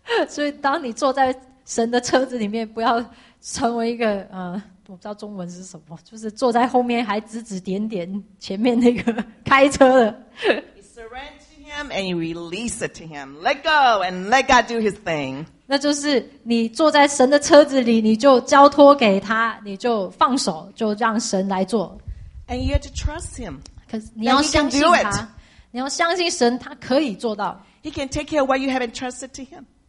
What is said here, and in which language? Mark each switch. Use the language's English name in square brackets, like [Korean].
[Chinese] 所以当你坐在神的车子里面，不要成为一个，我不知道中文是什么，就是坐在后面还指指点点前面那个开车的。 [English] You surrender to him and you release it to him. Let go and let God do his thing. [Chinese] 那就是你坐在神的车子里，你就交托给他，你就放手，就让神来做。 [English] And you have to trust him. [Chinese] 可是你要相信他。你要相信神，他可以做到。 [English] He can take care of what you have entrusted to him.